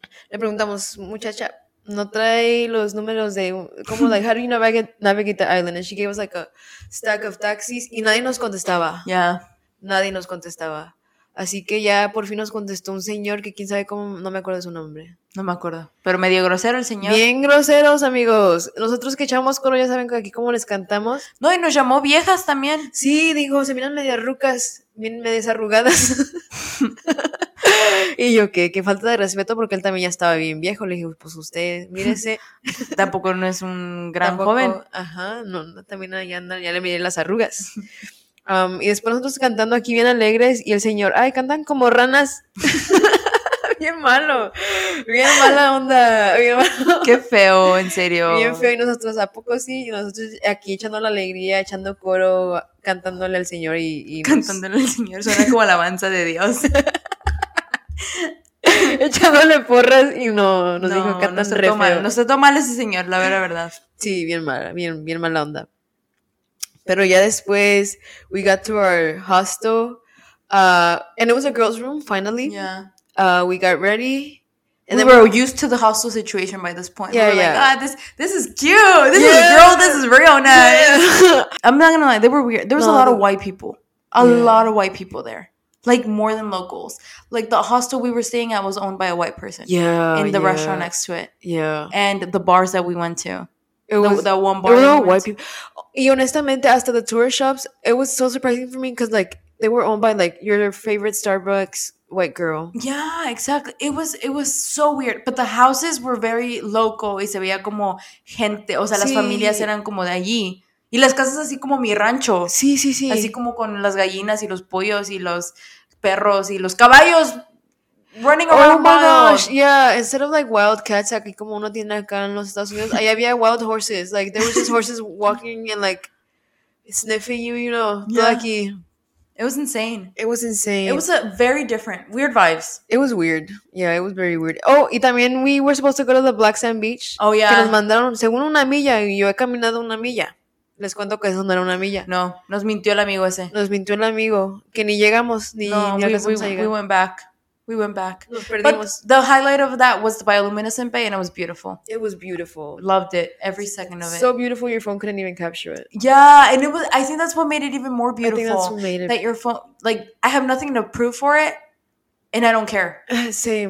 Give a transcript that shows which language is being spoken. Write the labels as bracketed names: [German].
[Spanish] Le preguntamos, muchacha, ¿no trae los números de... como, [English] like, how do you navigate the island? And she gave us, like, a stack of taxis. [Spanish] Y nadie nos contestaba. [English] Yeah. [Spanish] Nadie nos contestaba. Así que ya por fin nos contestó un señor que quién sabe cómo... No me acuerdo de su nombre. No me acuerdo. Pero medio grosero el señor. Bien groseros, amigos. Nosotros que echamos coro ya saben aquí cómo les cantamos. No, y nos llamó viejas también. Sí, dijo, se miran medias rucas. bien medias arrugadas. Y yo, ¿qué? Qué falta de respeto, porque él también ya estaba bien viejo. Le dije, pues usted, mírese. Tampoco no es un gran tampoco, joven. Ajá, no, no, también ahí anda, ya le miré las arrugas. Y después nosotros cantando aquí bien alegres, y el señor, ay, cantan como ranas. Bien malo, bien mala onda, bien malo. Qué feo, en serio. Bien feo, y nosotros, ¿a poco sí? Y nosotros aquí echando la alegría, echando coro, cantándole al señor y cantándole al señor, suena como alabanza de Dios. Echándole porras y no, nos no, dijo, cantan no re mal, feo. No se tomó mal ese señor, la verdad, verdad. Sí, bien mal, bien, bien mala onda. Pero ya después, [English] we got to our hostel, and it was a girl's room, finally. Yeah. We got ready. And we then were used to the hostel situation by this point. Yeah, we were like, this is cute. This is a girl. This is real nice. Yeah. I'm not going to lie. They were weird. There was a lot of white people. A lot of white people there. Like, more than locals. Like, the hostel we were staying at was owned by a white person. Yeah. In the restaurant next to it. Yeah. And the bars that we went to. It was that one bar. [Spanish] Y honestamente, hasta [English] the tour shops, it was so surprising for me because, like, they were owned by, like, your favorite Starbucks white girl. Yeah, exactly. It was so weird. But the houses were very local. [Spanish] Y se veía como gente. O sea, las familias eran como de allí. Y las casas así como mi rancho. Sí, sí, sí. Así como con las gallinas y los pollos y los perros y los caballos. [English] Running around. Oh my gosh. Yeah, instead of like wild cats, [Spanish] aquí como uno tiene acá en los Estados Unidos, ahí había [English] wild horses. Like, there was just horses walking and like sniffing you, you know. Yeah. [Spanish] Todo aquí. [English] It was insane. It was insane. It was a very different, weird vibes. It was weird. Yeah, it was very weird. Oh, [Spanish] y también [English] we were supposed to go to the Black Sand Beach. Oh, yeah. [Spanish] Que nos mandaron según una milla, y yo he caminado una milla. Les cuento que eso no era una milla. No, nos mintió el amigo ese. Nos mintió el amigo, que ni llegamos, ni alcanzamos a llegar. [English] We went back. [Spanish] Nos perdimos. [English] But the highlight of that was the bioluminescent bay, and it was beautiful. It was beautiful. Loved it. Every second of it. So beautiful, your phone couldn't even capture it. Yeah, and it was. I think that's what made it even more beautiful. I think that's what made it. That your phone, like, I have nothing to prove for it, and I don't care. Same.